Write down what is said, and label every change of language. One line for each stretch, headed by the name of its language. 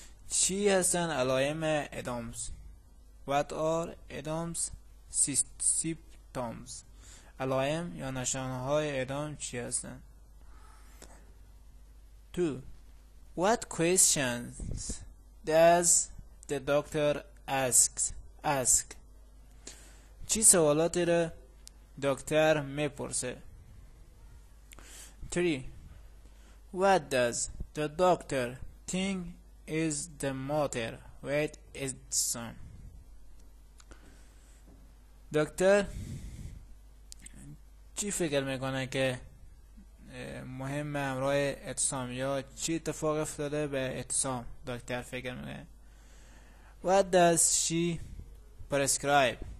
Persian: چی هستن علائم ادامز؟
English: What are Adams symptoms؟
Persian: علائم یا نشانه های ادام چی هستن؟ 2.
English: What questions does the doctor ask?
Persian: چی سوالاتی را دکتر میپرسه؟ 3.
English: What does the doctor think is the matter with his son?
Persian: دکتر چی فکر میکنه که مهم امرای اتسام، یا چی اتفاق افتاده به اتسام؟ دکتر فکر میکنه.
English: What does she prescribe?